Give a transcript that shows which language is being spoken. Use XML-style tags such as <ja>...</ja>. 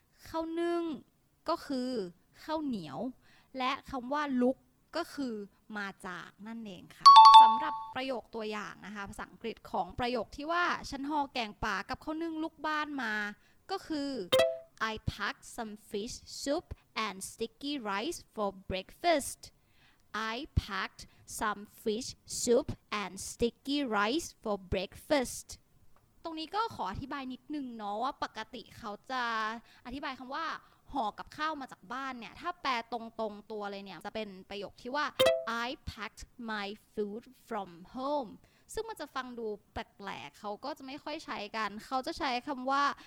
<th>ข้าวนึ่งก็คือข้าวเหนียวและคำว่าลุกก็คือมาจากนั่นเองค่ะสำหรับประโยคตัวอย่างนะคะภาษาอังกฤษของประโยคที่ว่าฉันห่อแกงป่ากับข้าวนึ่งลูกบ้านมาก็คือ</th> <en>I packed some fish soup and sticky rice for breakfast. I packed some fish soup and sticky rice for breakfast.</en> <th>ตรงนี้ก็ขออธิบายนิดนึงเนาะว่าปกติเขาจะอธิบายคำว่าห่อกับข้าวมาจากบ้านเนี่ยถ้าแปลตรงๆตัวเลยเนี่ยจะเป็นประโยคที่ว่า</th> <en>I packed my food from home</en> <th>ซึ่งมันจะฟังดูแปลกๆเขาก็จะไม่ค่อยใช้กันเขาจะใช้คำว่า</th>